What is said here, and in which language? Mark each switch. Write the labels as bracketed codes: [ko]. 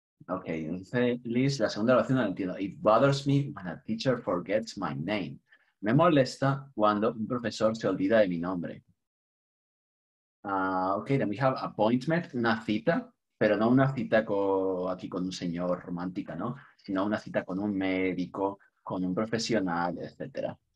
[es] Okay, Liz, la segunda oración no la entiendo. [en] It bothers me when a teacher forgets my name. [es] Me molesta cuando un profesor se olvida de mi nombre. Okay, then we have appointment, una cita, pero no una cita aquí con un señor romántica, ¿no? Sino una cita con un médico, con un profesional, etc.